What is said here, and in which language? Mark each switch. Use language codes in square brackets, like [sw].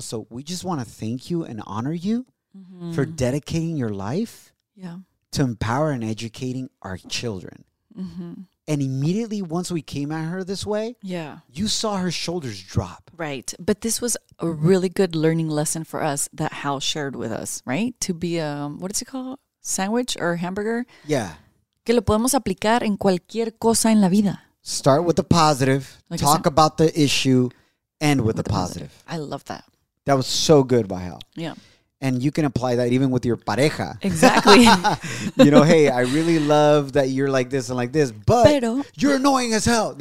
[en] So we just want to thank you and honor you for dedicating your life to empower and educating our children. Mm-hmm. And immediately once we came at her this way, you saw her shoulders drop. Right. But this was a really good learning lesson for us that Hal shared with us, right? To be a, what is it called? Sandwich or hamburger? Yeah. [es] Que lo podemos aplicar en cualquier cosa en la vida. [en] Start with the positive, like talk about the issue, end with the positive. I love that. That was so good by Hal. Yeah. And you can apply that even with your pareja. Exactly. You know, hey, I really love that you're like this and like this, but you're annoying as hell.